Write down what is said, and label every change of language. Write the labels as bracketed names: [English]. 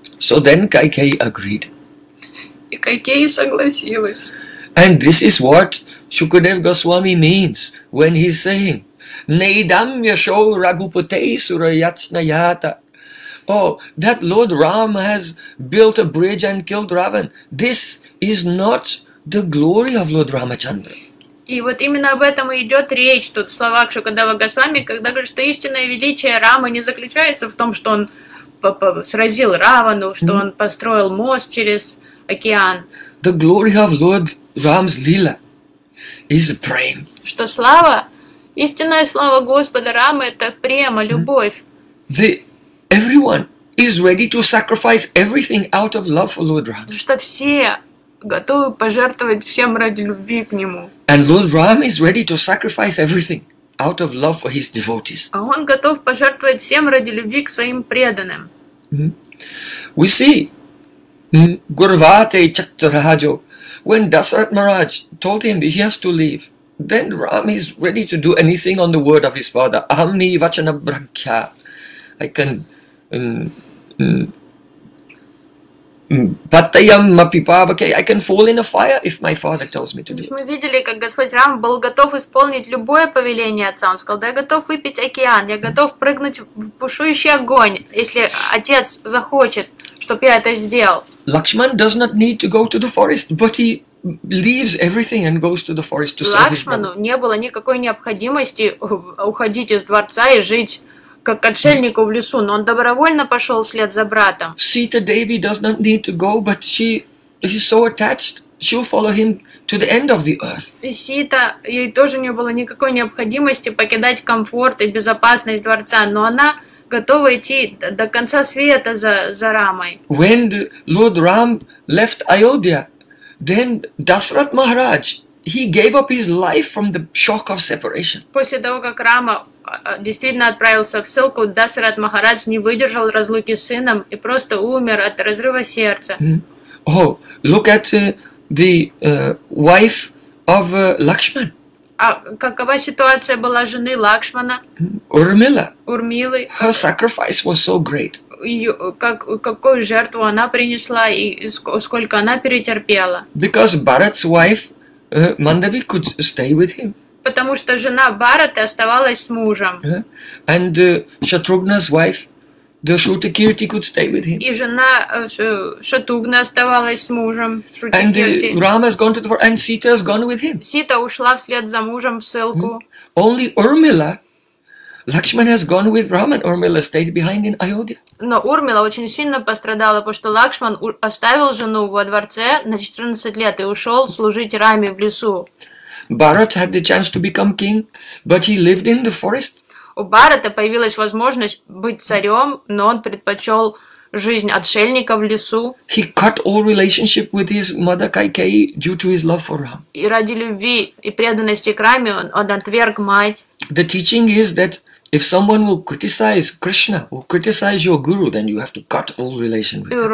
[English] So then Кайкеи agreed. [Russian] И Кайкеи согласилась. [English] And this is what Shukadev Goswami means when he's saying, [Sanskrit] Neidam yasho ragupate surayatsnayata. [English] Oh, that Lord Ram has built a bridge and killed Ravan. This is not the glory of Lord Ramachandra. [Russian] И вот именно об этом и идет речь тут в словах Шукадева Госвами, когда говорит, что истинное величие Рамы не заключается в том, что он сразил Равану, что он построил мост через океан. [English] The glory of Lord Ram's lila is prem. [Russian] Что слава, истинная слава Господа Рамы – это према, любовь. [English] Everyone is ready to sacrifice everything out of love for Lord Ram. [Russian] Что все готовы пожертвовать всем ради любви к нему. [English] And Lord Ram is ready to sacrifice everything out of love for his devotees. [Russian] А он готов пожертвовать всем ради любви к своим преданным. [English] We see Gurvate Chaktarajo. When Dasarath Maharaj told him he has to leave, then Ram is ready to do anything on the word of his father. [Sanskrit] Ahami vachana brakya. [English] I can I can fall in a fire if my father tells me to do it. [Russian] Мы видели, как Господь Рама был готов исполнить любое повеление отца. Он сказал, да, я готов выпить океан, я готов прыгнуть в бушующий огонь, если отец захочет, чтобы я это сделал. [English] Lakshman does not need to go to the forest, but he leaves everything and goes to the forest to serve his brother. [Russian] Не было никакой необходимости уходить из дворца и жить как отшельнику в лесу, но он добровольно пошел вслед за братом. [English] Sita Devi does not need to go, but she is so attached, she'll follow him to the end of the earth. [Russian] И Сита, ей тоже не было никакой необходимости покидать комфорт и безопасность дворца, но она готова идти до конца света за Рамой. [English] When Lord Ram left Ayodhya, then Dasarath Maharaj, he gave up his life from the shock of separation. [Russian] После того, как Рама действительно отправился в ссылку, Дасарат Махарадж не выдержал разлуки с сыном и просто умер от разрыва сердца. [English] Oh, look at the wife of Lakshman. [Russian] А какова ситуация была жены Лакшмана? Урмила. Урмилы. [English] Her sacrifice was so great. [Russian] Какую жертву она принесла и сколько она перетерпела? [English] Because Bharat's wife Mandavi could stay with him. [Russian] Потому что жена Бараты оставалась с мужем. [English] And Shatrughna's wife, the Shrutakirti, could stay with him. [Russian] И жена Шатугна оставалась с мужем. [English] And Rama has gone to the forest, and Sita has gone with him. [Russian] Сита ушла вслед за мужем в ссылку. [English] Only Urmila, Lakshman has gone with Rama, and Urmila stayed behind in Ayodhya. [Russian] Но Урмила очень сильно пострадала, потому что Лакшман оставил жену во дворце на 14 лет и ушел служить Раме в лесу. [English] Bharat had the chance to become king, but he lived in the forest. [Russian] У Бхарата появилась возможность быть царем, но он предпочел жизнь отшельника в лесу. [English] He cut all relationship with his mother Kaikeyi due to his love for Ram. [Russian] И ради любви и преданности к Раме он отверг мать. [English] The teaching is that if someone will criticize Krishna, will criticize your guru, then you have to cut all relation with him.